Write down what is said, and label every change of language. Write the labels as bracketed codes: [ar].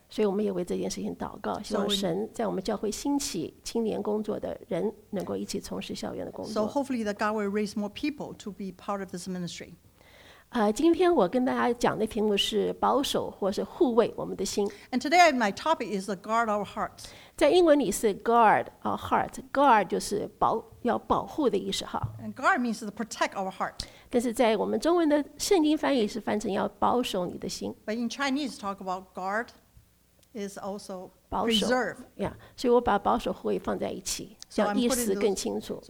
[zh] 所以我们也为这件事情祷告希望神在我们教会兴起青年工作的人能够一起从事校园的工作 [en] So hopefully that God will raise more people to be part of this ministry [zh] 今天我跟大家讲的题目是保守或是护卫我们的心 [en] And today my topic is guard our hearts [zh] 在英文里是 [en] guard our heart guard [zh] 就是要保护的意思 [en] And guard means to protect our heart [zh] 但是在我们中文的圣经翻译是翻成要保守你的心 [en] But in Chinese talk about guard is also preserve [zh] 保守 yeah, 所以我把保守护卫放在一起让意思更清楚